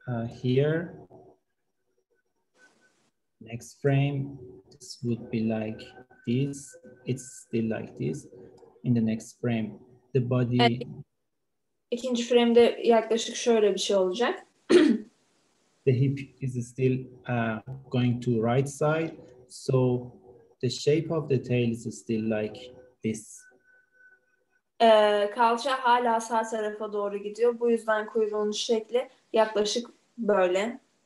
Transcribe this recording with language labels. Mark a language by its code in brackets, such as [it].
[en] Here, next frame, this would be like this. It's still like this. In the next frame, the body. [tr] İkinci frame'de yaklaşık şöyle bir şey olacak. [en] The hip is still going to right side, so the shape of the tail is still like this. [tr] Kalça hala sağ tarafa doğru gidiyor. Bu yüzden kuyruğun şekli yaklaşık böyle.